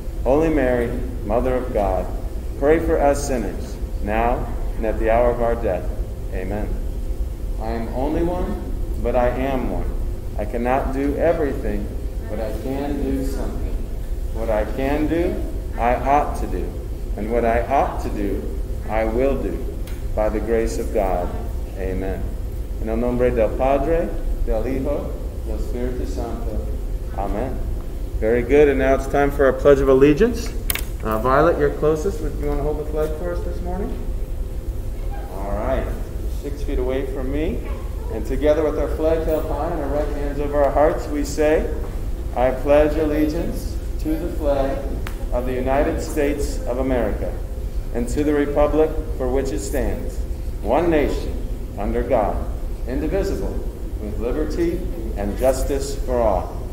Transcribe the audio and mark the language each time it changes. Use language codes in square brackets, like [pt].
[en] Holy Mary, Mother of God, pray for us sinners, now and at the hour of our death. Amen. I am only one, but I am one. I cannot do everything, but I can do something. What I can do, I ought to do. And what I ought to do, I will do. By the grace of God. Amen. [es] En el nombre del Padre, del Hijo, del Espíritu Santo. [en] Amen. Very good. And now it's time for our Pledge of Allegiance. Violet, you're closest. Would you want to hold the flag for us this morning? All right, 6 feet away from me. And together with our flag held high and our right hands over our hearts, we say, I pledge allegiance to the flag of the United States of America and to the republic for which it stands, one nation, under God, indivisible, with liberty and justice for all.